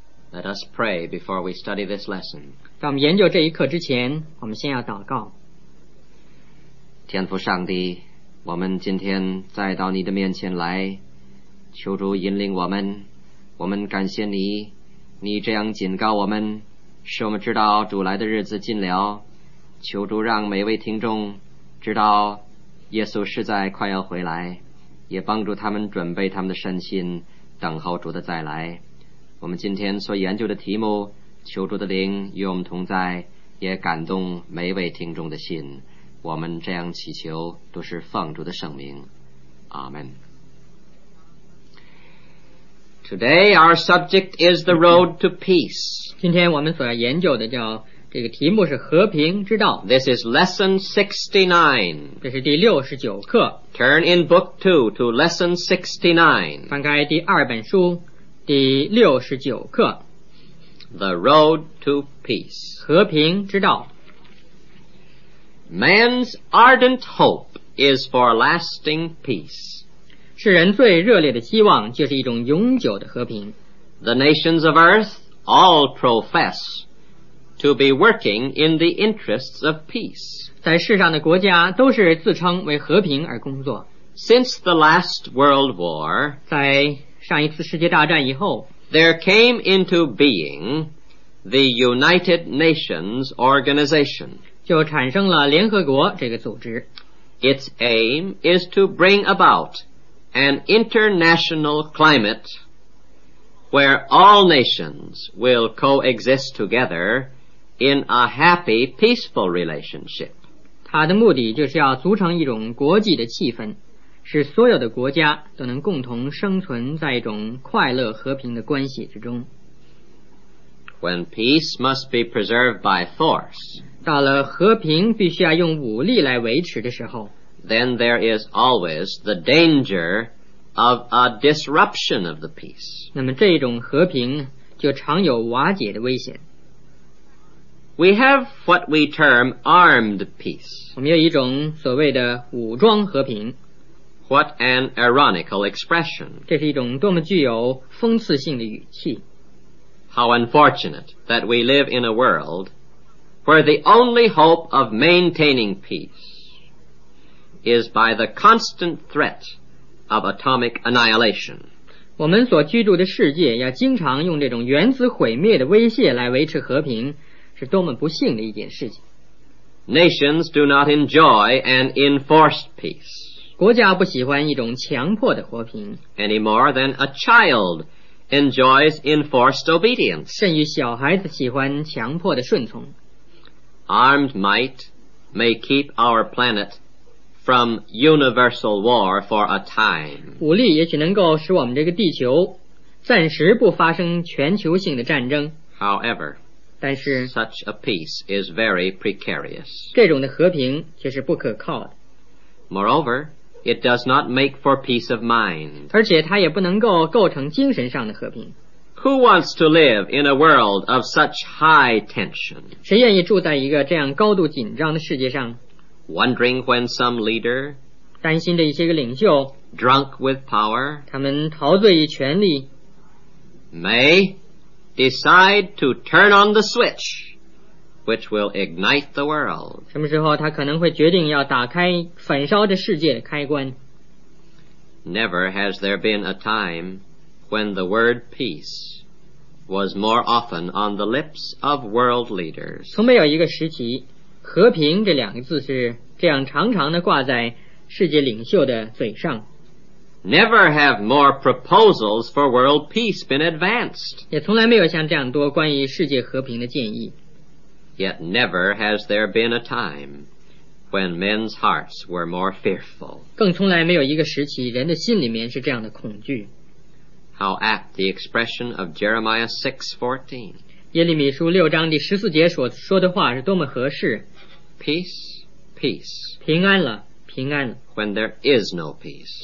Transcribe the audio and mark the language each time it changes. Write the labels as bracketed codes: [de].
[en] Let us pray before we study this lesson. [zh] 当我们研究这一课之前，我们先要祷告。天父上帝，我们今天再到你的面前来，求主引领我们。我们感谢你，你这样警告我们，使我们知道主来的日子近了。求主让每位听众知道耶稣实在快要回来，也帮助他们准备他们的身心，等候主的再来。我们今天所研究的题目，求主的灵与我们同在，也感动每位听众的心。我们这样祈求，都是奉主的圣名，阿们。 [en] Today our subject is the road to peace. [zh] 今天我们所要研究的叫这个题目是和平之道。 [en] This is lesson 69. [zh] 这是第六十九课。 [en] Turn in book 2 to lesson 69. [zh] 翻开第二本书，第六十九课。 [en] The road to peace. [zh] 和平之道。 [en] Man's ardent hope is for lasting peace. [zh] 世人最热烈的希望就是一种永久的和平。 [en] The nations of earth all profess to be working in the interests of peace. [zh] 在世上的国家都是自称为和平而工作。 [en] Since the last world war, [zh] 在上一次世界大战以后， [en] there came into being the United Nations Organization. [zh] 就产生了联合国这个组织。 [en] Its aim is to bring about an international climate where all nations will coexist together in a happy, peaceful relationship. [zh] 它的目的就是要组成一种国际的气氛，使所有的国家都能共同生存在一种快乐和平的关系之中。 [en] When peace must be preserved by force, [zh] 到了和平必须要用武力来维持的时候， [en] then there is always the danger of a disruption of the peace. [zh] 那么这种和平就常有瓦解的危险。 [en] We have what we term armed peace. [zh] 我们有一种所谓的武装和平。 [en] What an ironical expression. [zh] 这是一种多么具有讽刺性的语气。 [en] How unfortunate that we live in a world where the only hope of maintaining peace is by the constant threat of atomic annihilation. [zh] 我们所居住的世界要经常用这种原子毁灭的威胁来维持和平，是多么不幸的一件事情。 [en] Nations do not enjoy an enforced peace. [zh] 国家不喜欢一种强迫的和平。 [en] Any more than a childenjoys enforced obedience. [zh] 甚于小孩子喜欢强迫的顺从。 [en] Armed might may keep our planet from universal war for a time. [zh] 武力也许能够使我们这个地球暂时不发生全球性的战争。 [en] However, [zh] 但是 [en] such a peace is very precarious. [zh] 这种的和平却是不可靠的。 [en] Moreover,It does not make for peace of mind. [zh] 而且它也不能够构成精神上的和平。 [en] Who wants to live in a world of such high tension? [zh] 谁愿意住在一个这样高度紧张的世界上？ [en] Wondering when some leader, [zh] 担心着一些个领袖， [en] drunk with power, [zh] 他们陶醉于权力， [en] may decide to turn on the switch which will ignite the world. [zh] 什么时候他可能会决定要打开焚烧着世界的开关。 [en] Never has there been a time when the word peace was more often on the lips of world leaders. [zh] 从没有一个时期，和平这两个字是这样常常的挂在世界领袖的嘴上。 [en] Never have more proposals for world peace been advanced. [zh] 也从来没有像这样多关于世界和平的建议。 [en] Yet never has there been a time when men's hearts were more fearful. [zh] 更从来没有一个时期人的心里面是这样的恐惧。 [en] How apt the expression of Jeremiah 6:14. [zh] 耶利米书六章第十四节所说的话是多么合适。 [en] Peace, peace. [zh] 平安了，平安了。 [en] When there is no peace.